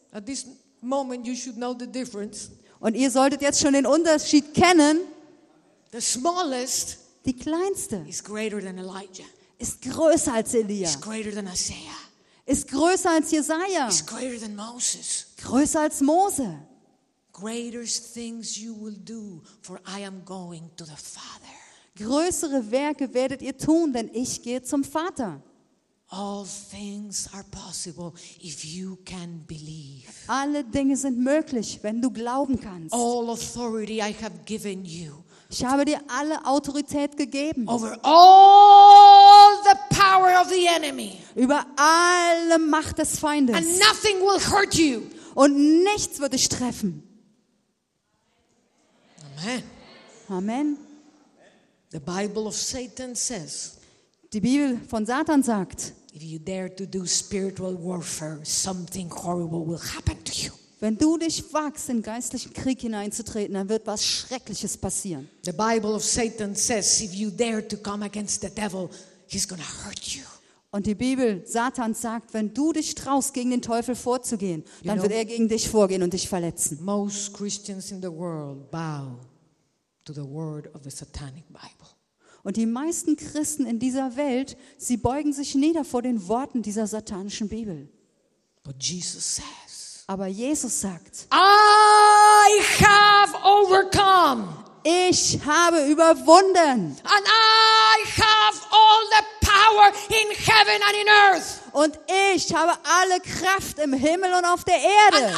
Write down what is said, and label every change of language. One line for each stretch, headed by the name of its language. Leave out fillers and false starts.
English: At this moment you should know the difference.
German: Und ihr solltet jetzt schon den Unterschied kennen.
English: The smallest,
German: die Kleinste,
English: is greater than Elijah,
German: ist größer als Elia,
English: is greater than Isaiah,
German: ist größer als Jesaja,
English: is greater than Moses,
German: größer als Mose.
English: Greater things you will do, for I am going to the Father.
German: Größere Werke werdet ihr tun, denn ich gehe zum Vater.
English: All things are possible if you can believe.
German: Alle Dinge sind möglich, wenn du glauben kannst.
English: All authority I have given you.
German: Ich habe dir alle Autorität gegeben.
English: Over all the power of the enemy.
German: Über alle Macht des Feindes.
English: And nothing will hurt you.
German: Und nichts wird dich treffen.
English: Amen.
German: Amen.
English: The Bible of Satan says.
German: Die Bibel von Satan sagt.
English: If you dare to do spiritual warfare, something horrible will happen to you.
German: Wenn du dich wagst, in geistlichen Krieg hineinzutreten, dann wird was Schreckliches passieren.
English: The Bible of Satan says, if you dare to come against the devil, he's gonna hurt you.
German: Und die Bibel, Satan sagt, wenn du dich traust, gegen den Teufel vorzugehen, dann wird er gegen dich vorgehen und dich verletzen.
English: Most Christians in the world bow to the word of the satanic Bible.
German: Und die meisten Christen in dieser Welt, sie beugen sich nieder vor den Worten dieser satanischen Bibel.
English: But Jesus says,
German: aber Jesus sagt,
English: I have overcome.
German: Ich habe überwunden.
English: And I have all the power in heaven and in earth.
German: Und ich habe alle Kraft im Himmel und auf der Erde.